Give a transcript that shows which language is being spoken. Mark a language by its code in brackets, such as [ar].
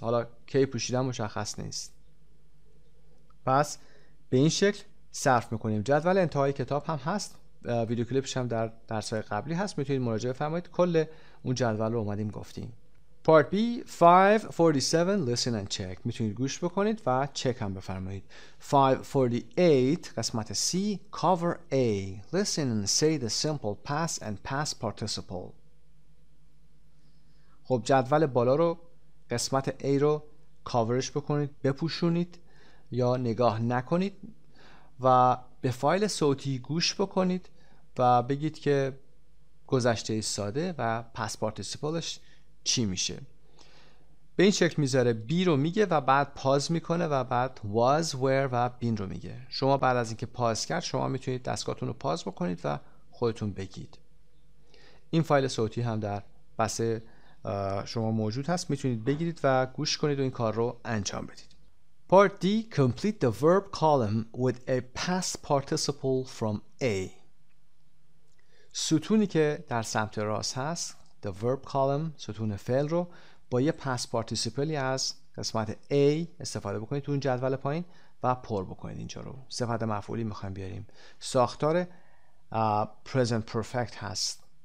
[fa] حالا کی پوشیدم مشخص نیست. پس به این شکل صرف میکنیم. جدول انتهای کتاب هم هست، ویدیو کلیپش هم در درس‌های قبلی هست، میتونید مراجعه فرمایید. کل اون جدول رو اومدیم گفتیم. [en] Part B 547 listen and check. [fa] میتونید گوش بکنید و چک هم بفرمایید. [en] 548 [fa] قسمت [en] C cover A. Listen and say the simple past and past participle. [fa] خب جدول بالا رو، قسمت A رو کاورش بکنید، بپوشونید یا نگاه نکنید و به فایل صوتی گوش بکنید و بگید که گذشته ساده و پس پارتیسیپلش چی میشه. به این شکل میذاره، بی رو میگه و بعد پاز میکنه و بعد was, where و been رو میگه. شما بعد از اینکه پاز کرد، شما میتونید دستگاهتون رو پاز بکنید و خودتون بگید. این فایل صوتی هم در بسته شما موجود هست، میتونید بگیرید و گوش کنید و این کار رو انجام بدید. [en] Part D, complete the verb column with a past participle from A. [fa] ستونی که در سمت راست هست، [en] the verb column، [fa] ستون فعل رو با یه past participle از قسمت A استفاده بکنید تو اون جدول پایین و پر بکنید اینجا رو. صفت مفعولی میخوایم بیاریم. ساختار present perfect هست.